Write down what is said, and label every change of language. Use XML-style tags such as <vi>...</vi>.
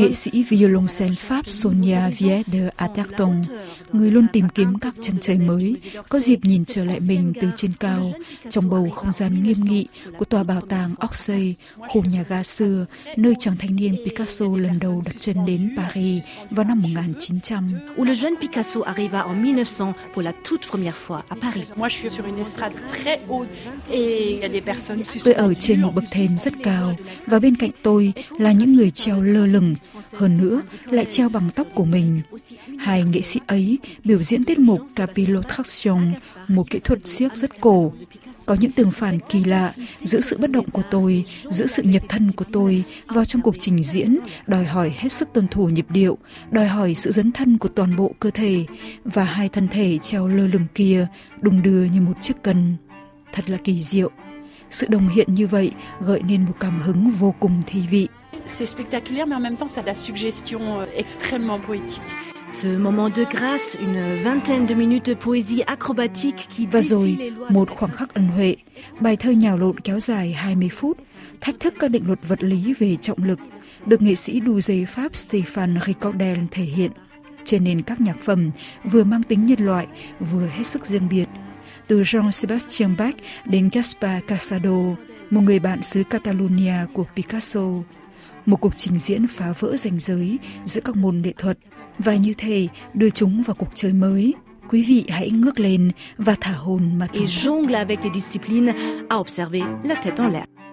<vi>Nghệ sĩ violoncello Pháp Sonia Weder-Atherton, người luôn tìm kiếm các chân trời mới, có dịp nhìn trở lại mình từ trên cao trong bầu không gian nghiêm nghị của tòa bảo tàng Orsay, khu nhà ga xưa, nơi chàng thanh niên Picasso lần đầu đặt chân đến Paris vào năm 1900.</vi> <fr>Où le jeune Picasso arriva en 1900 pour la toute première fois à Paris. Moi, je suis sur une estrade très haute et il y a des personnes.</fr> <vi>Tôi ở trên một bậc thềm rất cao và bên cạnh tôi là những người treo lơ lửng, hơn nữa lại treo bằng tóc của mình. Hai nghệ sĩ ấy biểu diễn tiết mục capillotraction, một kỹ thuật xiếc rất cổ. Có những tương phản kỳ lạ giữa sự bất động của tôi, giữa sự nhập thân của tôi vào trong cuộc trình diễn, đòi hỏi hết sức tuân thủ nhịp điệu, đòi hỏi sự dấn thân của toàn bộ cơ thể và hai thân thể treo lơ lửng kia đung đưa như một chiếc cần. Thật là kỳ diệu. Sự đồng hiện như vậy gợi nên một cảm hứng vô cùng thi vị.</vi> <fr>C'est spectaculaire mais en même temps ça a la suggestion extrêmement poétique. Ce moment de grâce, une vingtaine de minutes de poésie acrobatique qui</fr> <vi>va rồi một khoảng khắc ân huệ, bài thơ nhào lộn kéo dài 20 phút, thách thức các định luật vật lý về trọng lực, được nghệ sĩ đu dây Pháp Stéphane Ricordel thể hiện trên nền các nhạc phẩm vừa mang tính nhân loại, vừa hết sức riêng biệt. Từ Jean-Sébastien Bach đến Gaspar Cassadó, một người bạn xứ Catalonia của Picasso. Một cuộc trình diễn phá vỡ ranh giới giữa các môn nghệ thuật và như thế đưa chúng vào cuộc chơi mới. Quý vị hãy ngước lên và thả hồn mà thưởng thức.</vi> <fr>Et jongle avec les disciplines à observer la tête en l'air.</fr>